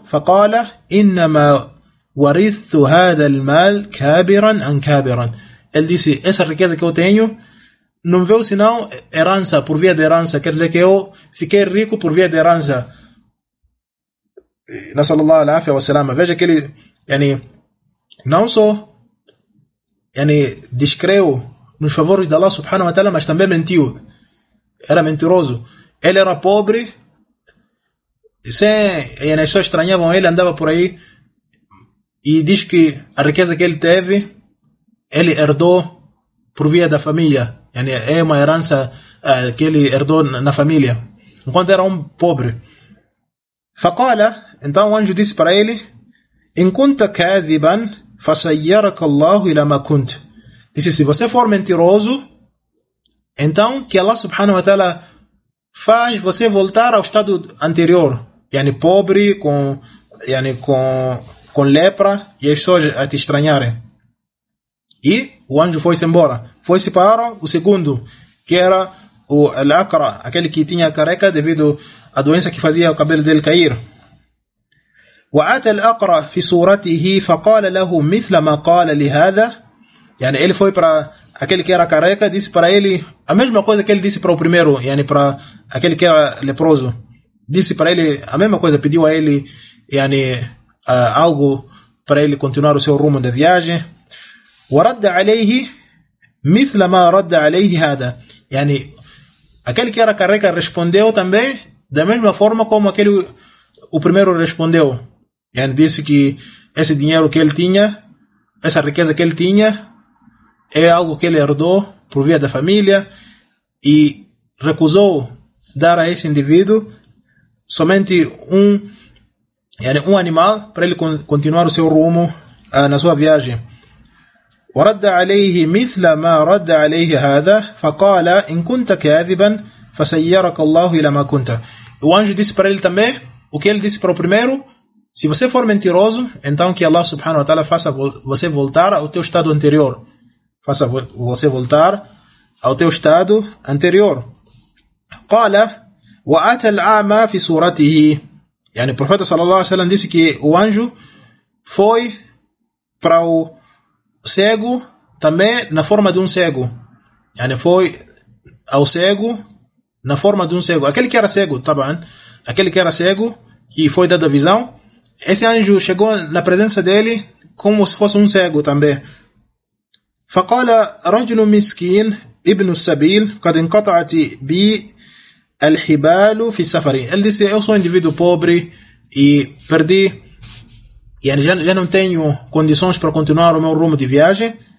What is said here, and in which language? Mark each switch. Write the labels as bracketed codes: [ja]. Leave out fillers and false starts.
[ar] فقال إنما ورثت هذا المال كابرا عن كابرا. [pt] Ele disse, essa riqueza que eu tenho não veio senão herança, por via de herança. Quer dizer que eu fiquei rico por via de herança. [ar] نسأل الله العافية والسلامة. [pt] Veja que ele yani, não só yani, descreu nos favores de Allah subhanahu wa ta'ala, mas também mentiu. Era mentiroso. Ele era pobre, sem, yani, as pessoas estranhavam ele, andava por aí e diz que a riqueza que ele teve, ele herdou por via da família. Yani, é uma herança que ele herdou na família, enquanto era um pobre. [ar] فقال, [pt] então o anjo disse para ele, [ar] إن كنت كاذبا فسيرك الله إلى ما كنت. [pt] Disse, se você for mentiroso, então que Allah subhanahu wa ta'ala faz você voltar ao estado anterior, yani pobre, com, yani, com lepra, e as pessoas a te estranharem. E o anjo foi-se embora. Foi-se para o segundo, que era o Al-Aqra, aquele que tinha careca devido à doença que fazia o cabelo dele cair. [ar] وأتى الأقرأ في صورته فقال له مثل ما قال لهذا. يعني [pt] ele foi para aquele que era careca, disse para ele a mesma coisa que ele disse para o primeiro, yani para aquele que era leproso, disse para ele a mesma coisa, pediu a ele yani algo para ele continuar o seu rumo da viagem. [ar] ورد عليه مثل ما رد عليه هذا, [pt] yani aquele que era careca respondeu também da mesma forma como aquele o primeiro respondeu. Yani disse que esse dinheiro que ele tinha, essa riqueza que ele tinha, é algo que ele herdou por via da família e recusou dar a esse indivíduo somente um animal para ele continuar o seu rumo na sua viagem. [ar] ورد عليه مثل ما رد عليه هذا فقال إن كنت كاذبا فسيرك الله إلى ما كنت. [pt] O anjo disse para ele também o que ele disse para o primeiro. Se você for mentiroso, então que Allah subhanahu wa ta'ala faça você voltar ao teu estado anterior. Faça você voltar ao teu estado anterior. [ar] Qala, wa ata al-a'ma fi suratihi. [pt] Yani, o profeta sallallahu alaihi wasallam disse que o anjo foi para o cego também na forma de um cego. Yani, foi ao cego na forma de um cego. Aquele que era cego, taban. Aquele que era cego, que foi dado a visão. Esse anjo chegou na presença dele como se fosse um cego também. [ar] فقال رجل مسكين ابن السبيل قد انقطعت بي الحبال في سفري. [pt] Ele disse, eu sou um indivíduo pobre e perdi, yani já não tenho condições para continuar o meu rumo de viagem.